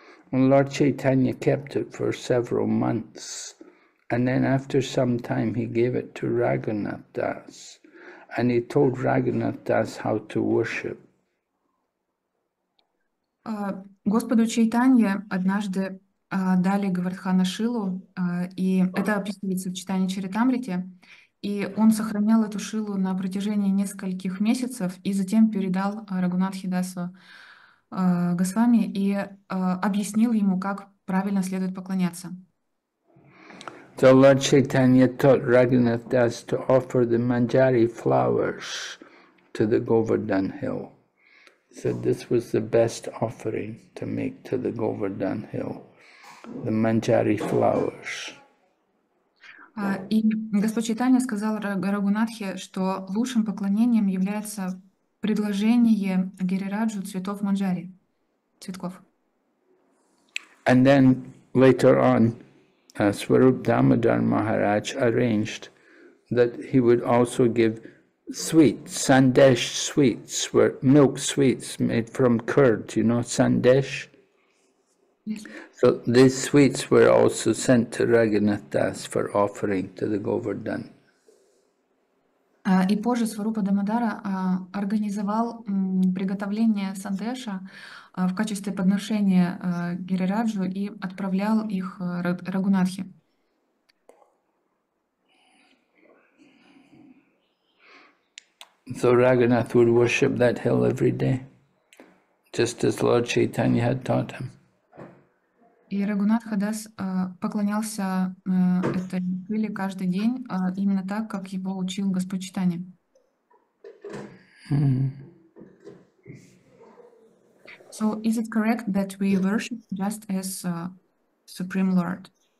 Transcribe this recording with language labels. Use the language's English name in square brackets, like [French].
[English] And Lord Chaitanya kept it for several months. And then after some time, he gave it to Raghunath Das. And he told Raghunath Das how to worship. [Russian] Господу Чайтанье однажды дали Говардхана Шилу, и это описывается в Чайтанье Чаритамрите, и он сохранял эту Шилу на протяжении нескольких месяцев и затем передал Рагунатхи Дасу Госвами и объяснил ему, как правильно следует поклоняться. [English] So Lord Chaitanya taught Raghunath Das to offer the manjari flowers to the Govardhan Hill. Said this was the best offering to make to the Govardhan Hill, the manjari flowers. [Russian] И Господь Чайтанья сказал Рагунатхе, что лучшим поклонением является предложение Гирираджу цветов манджари, цветков. [English] And then later on, Swarup Damodar Maharaj arranged that he would also give sweets, sandesh sweets, were milk sweets made from curd, you know, sandesh? Yes. So these sweets were also sent to Raghunath Das for offering to the Govardhan. [Russian] И позже Сварупа Дамодара организовал приготовление сандеша в качестве подношения Гирираджу и отправлял их Рагунатхе. [English] So Raghunath would worship that hill every day, just as Lord Chaitanya had taught him. [Russian] И Рагунатха Дас поклонялся этой хиле каждый день именно так, как его учил Господь Чайтанья. [English] So is it correct that we worship just as Supreme Lord?